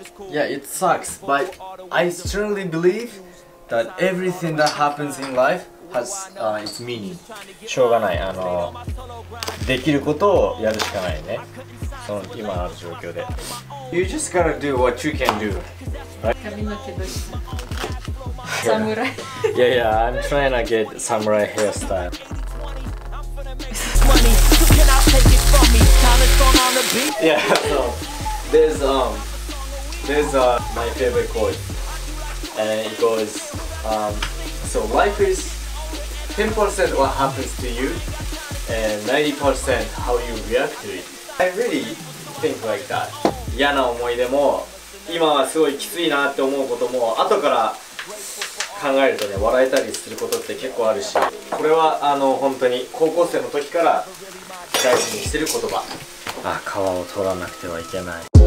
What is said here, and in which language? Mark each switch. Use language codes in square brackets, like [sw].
[en] Yeah, it sucks, but I strongly believe that everything that happens in life has its meaning. [ja] しょうがない。できることをやるしかないね。その今ある状況で。 [en] You just gotta do what you can do. [ja] 髪の毛どうした？サムライ。 [en] Yeah, yeah, I'm trying to get samurai hairstyle. Yeah, so there's my favorite quote. And it goes, so life is 10% what happens to you, and 90% how you react to it. I really think like that. [ja] 嫌な思い出も、今はすごいきついなって思うことも、後から考えるとね、笑えたりすることって結構あるし、これは本当に高校生の時から大事にしてる言葉。あ、皮を取らなくてはいけない。